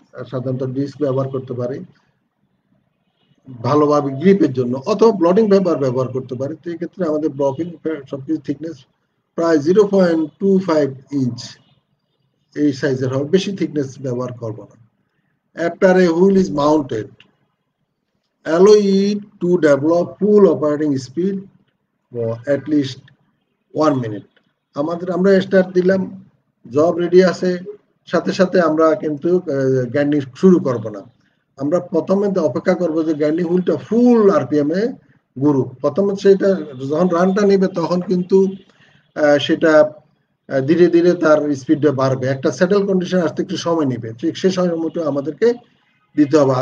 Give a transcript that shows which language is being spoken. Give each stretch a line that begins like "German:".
Bangla: সাধারণত ডিস্ক ব্যবহার করতে পারি ভালোভাবে গ্রিপের জন্য, অথবা ব্লডিং পেপার ব্যবহার করতে পারি, তো এক্ষেত্রে আমাদের ব্লকিং সবকিছু থিকনেস প্রায় 0.25 ইঞ্চ এই সাইজের হবে, বেশি থিকনেস ব্যবহার করবো না।
English: After a wheel is mounted, alloy it to develop full operating speed for at least 1 minute.
Bangla: আমাদের আমরা স্টার্ট দিলাম, জব রেডি আছে, সাথে সাথে আমরা কিন্তু গ্যান্ডি শুরু করব না। আমরা প্রথমে অপেক্ষা করব যে গ্যান্ডি হুইলটা ফুল আরপিএম এ ঘুরুক। প্রথমে সেটা যখন রানটা নেবে তখন কিন্তু সেটা ধীরে ধীরে তার স্পিডটা বাড়বে, একটা সেটেল কন্ডিশন আসতে একটু সময় নেবে, ঠিক সেই সময় মতো আমাদেরকে দিতে হবে।